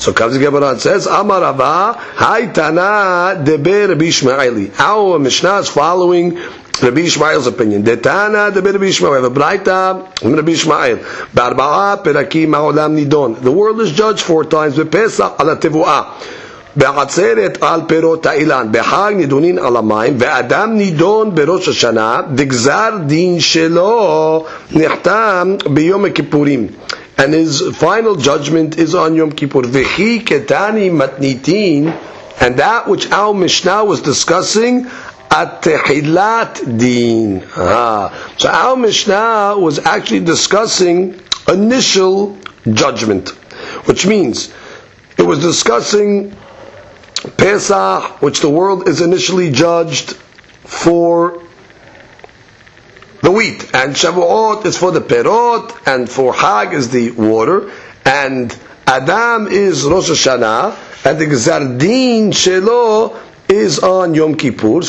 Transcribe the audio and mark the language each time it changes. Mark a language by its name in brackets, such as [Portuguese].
[English] So comes the Gemara and says, [Aramaic] Amar Rava, Hai Tana Debe Rabbi Ishmaeli. [English] Our Mishnah is following Rabbi Ishmael's opinion. [Aramaic] Detana Debe Rabbi Ishmael. [English] We have a Braita from Rabbi Ishmael. [Aramaic] Barba'a Perakim Ma'olam Nidon. [English] The world is judged four times. [Hebrew] Bepesach Ala Tevu'ah. בעצרת על פירות האילן, בחג נידונין על המים, ואדם נידון בראש השנה, וגזר דין שלו נחתם ביום הכיפורים. [English] And his final judgment is on Yom Kippur. [Hebrew] וכי קטני מתניתין, [English] and that which our Mishnah was discussing, [Hebrew] התחילת דין. [English] So our Mishnah was actually discussing initial judgment, which means it was discussing Pesach, which the world is initially judged for the wheat, and Shavuot is for the perot, and for Chag is the water, and Adam is Rosh Hashanah, and the Gzardin Shelo is on Yom Kippur.